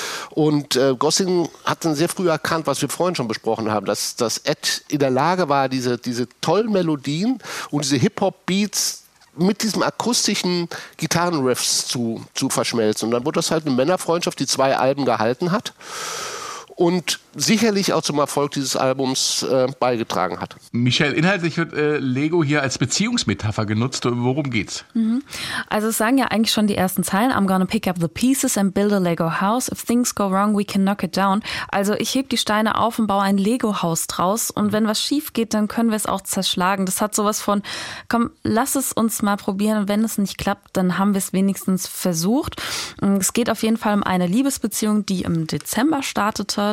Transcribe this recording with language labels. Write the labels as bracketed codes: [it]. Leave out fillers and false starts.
[de] Und Gosling hat dann sehr früh erkannt, was wir vorhin schon besprochen haben, dass Ed in der Lage war, diese tollen Melodien und diese Hip-Hop-Beats mit diesen akustischen Gitarrenriffs zu verschmelzen. Und dann wurde das halt eine Männerfreundschaft, die zwei Alben gehalten hat und sicherlich auch zum Erfolg dieses Albums beigetragen hat. Michael, inhaltlich wird Lego hier als Beziehungsmetapher genutzt. Worum geht's? Mhm. Also es sagen ja eigentlich schon die ersten Zeilen. [en] I'm gonna pick up the pieces and build a Lego house. If things go wrong, we can knock it down. [de] Also ich heb die Steine auf und baue ein Lego-Haus draus. Und wenn was schief geht, dann können wir es auch zerschlagen. Das hat sowas von, komm, lass es uns mal probieren. Und wenn es nicht klappt, dann haben wir es wenigstens versucht. Es geht auf jeden Fall um eine Liebesbeziehung, die im Dezember startete.